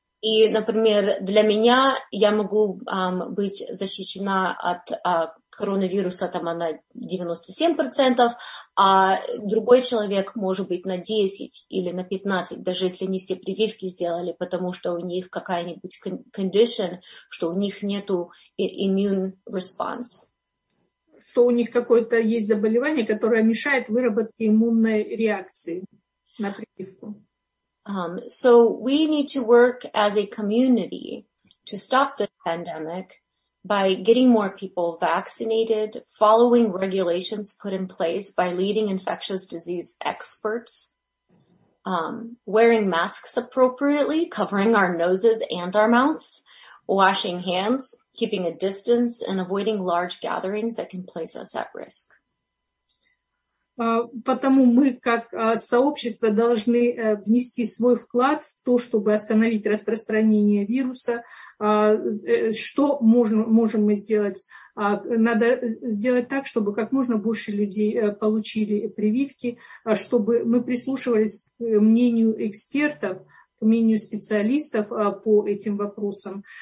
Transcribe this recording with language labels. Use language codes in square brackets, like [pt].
[ru] И, например, для меня я могу быть защищена от коронавируса там, на 97%, а другой человек может быть на 10 или на 15, даже если не все прививки сделали, потому что у них какая-нибудь condition, что у них нету [en] immune response. [ru] То у них какое-то есть заболевание, которое мешает выработке иммунной реакции на прививку. [en] So we need to work as a community to stop this pandemic by getting more people vaccinated, following regulations put in place by leading infectious disease experts, wearing masks appropriately, covering our noses and our mouths, washing hands, keeping a distance and avoiding large gatherings that can place us at risk. [ru] Потому мы как сообщество должны внести свой вклад в то, чтобы остановить распространение вируса. Что можем мы сделать? Надо сделать так, чтобы как можно больше людей получили прививки, чтобы мы прислушивались к мнению экспертов, к мнению специалистов по этим вопросам.